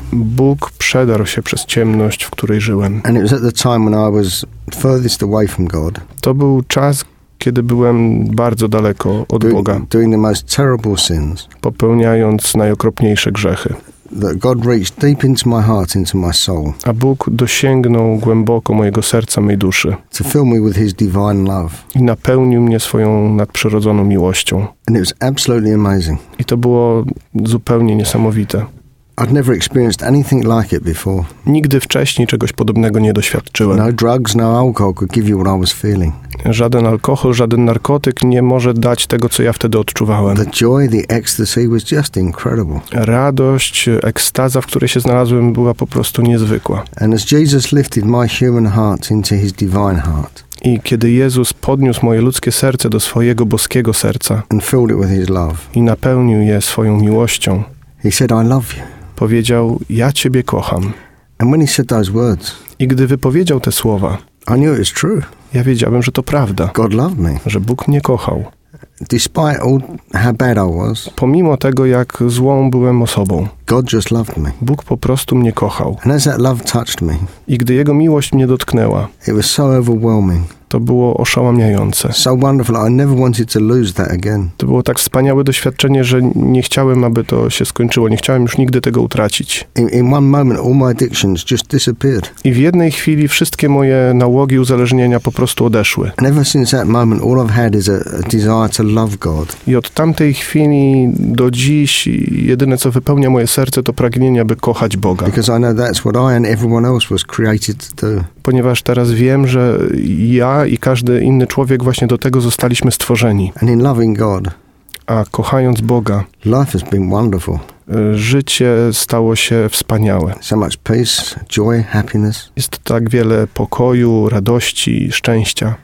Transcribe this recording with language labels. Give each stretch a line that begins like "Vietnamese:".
Polish: Bóg przedarł się przez ciemność, w której żyłem.
English: And it was at the time when I was furthest away from God.
Polish: To był czas, kiedy byłem bardzo daleko od Boga.
English: Doing the most terrible sins,
Polish: popełniając najokropniejsze grzechy.
English: That God reached deep into my heart, into my soul.
Polish: A Bóg dosięgnął głęboko mojego serca, mojej duszy.
English: To fill me with his divine love.
Polish: I napełnił mnie swoją nadprzyrodzoną miłością.
English: And it was absolutely amazing.
Polish: I to było zupełnie niesamowite.
English: I'd never experienced anything like it before.
Polish: Nigdy wcześniej czegoś podobnego nie doświadczyłem.
English: No drugs, no alcohol could give you what I was feeling.
Polish: Żaden alkohol, żaden narkotyk nie może dać tego, co ja wtedy odczuwałem.
English: The joy, the ecstasy was just incredible.
Polish: Radość, ekstaza, w której się znalazłem, była po prostu niezwykła.
English: And as Jesus lifted my human heart into his divine heart.
Polish: I kiedy Jezus podniósł moje ludzkie serce do swojego boskiego serca
English: and filled it with his love.
Polish: I napełnił je swoją miłością.
English: He said, I love you.
Polish: Powiedział, ja ciebie kocham.
English: And when he said those words,
Polish: i gdy wypowiedział te słowa,
English: I knew it was true.
Polish: Ja wiedziałem, że to prawda.
English: God loved me.
Polish: Że Bóg mnie kochał.
English: Despite all how bad I was,
Polish: pomimo tego, jak złą byłem osobą,
English: God just loved me.
Polish: Bóg po prostu mnie kochał.
English: And as that love touched me,
Polish: i gdy Jego miłość mnie dotknęła,
English: it was so overwhelming.
Polish: To było oszałamiające.
English: So wonderful. I never wanted to lose that again.
Polish: To było tak wspaniałe doświadczenie, że nie chciałem, aby to się skończyło. Nie chciałem już nigdy tego utracić.
English: In one moment, all my addictions just disappeared.
Polish: I w jednej chwili wszystkie moje nałogi, uzależnienia po prostu odeszły.
English: And ever since that moment, all I've had is a desire to love God.
Polish: I od tamtej chwili do dziś jedyne, co wypełnia moje serce, to pragnienie, aby kochać Boga.
English: Because I know that's what I and everyone else was created to do.
Polish: Ponieważ teraz wiem, że ja i każdy inny człowiek właśnie do tego zostaliśmy stworzeni.
English: And in loving God,
Polish: a kochając Boga,
English: life has been wonderful.
Polish: Życie stało się wspaniałe.
English: So much peace, joy, happiness.
Polish: Jest tak wiele pokoju, radości, szczęścia.